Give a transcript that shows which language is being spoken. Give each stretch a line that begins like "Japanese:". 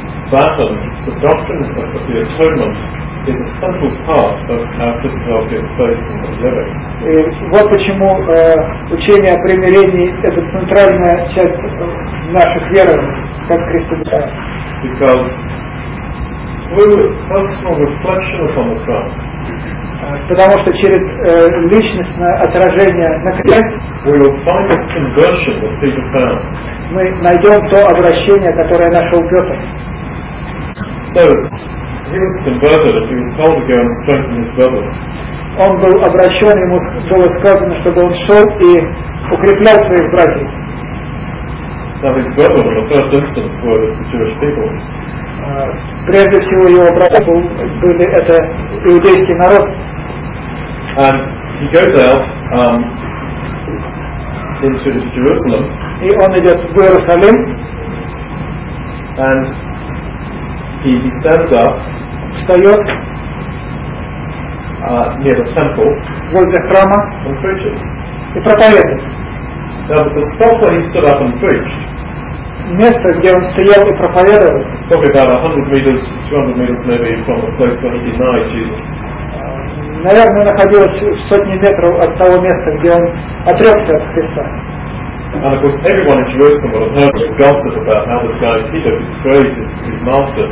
English: That's why the doctrine of the atonement is a central part of our Christianity of faith and of living.
Russian: И вот почему учение о примирении — это центральная часть наших верований, как христиан.
English: Because through personal reflection upon the cross,
Russian: потому что через личностное отражение на кресте мы найдем то обращение, которое нашел Петр.
English: So, he was converted and he was told to go and strengthen his brother.
Russian: Он был обращен, ему было сказано, чтобы он шел и укреплял своих братьев.
English: Now his brother in the first instance were the Jewish people.
Russian: Прежде всего его братья были это иудейский народ.
English: And he goes out into Jerusalem.
Russian: И он идет в Иерусалим.
English: And he stands up.
Russian: Встает
English: near the temple.
Russian: Возле храма.
English: And preaches.
Russian: И проповедует.
English: Now the spot where he stood up and preached.
Russian: Место, где он стоял и проповедовал.
English: It's probably about 100 meters, 200 meters maybe from the place where he denied Jesus.
Russian: Наверное, находилось в сотне метров от того места, где он отрекся от Христа.
English: And of course, everyone in Jerusalem would have heard this gossip about how this guy Peter betrayed his master.